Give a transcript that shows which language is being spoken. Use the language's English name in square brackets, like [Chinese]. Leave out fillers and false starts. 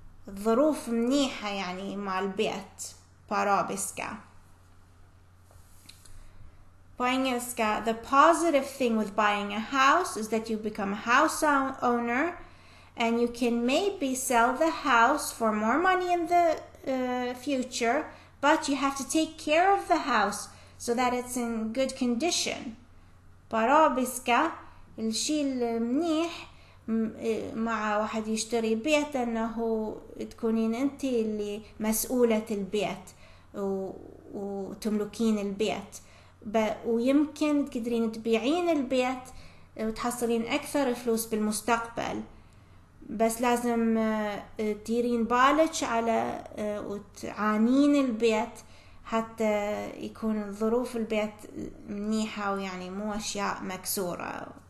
[Arabic] ظروف منيحة يعني مع البيت. [Swedish] På arabiska. På engelska, [English] the positive thing with buying a house is that you become a house owner. And you can maybe sell the house for more money in the future. But you have to take care of the house. so that it's in good condition. [Swedish] Parabiska, [Arabic] الشيل منيح مع واحد يشتري بيت انه تكونين انت اللي مسؤولة البيت وتملكين البيت ويمكن تقدرين تبيعين البيت وتحصلين اكثر فلوس بالمستقبل, بس لازم تديرين بالك على وتعانين البيت حتى يكون ظروف البيت منيحة ويعني مو اشياء مكسورة.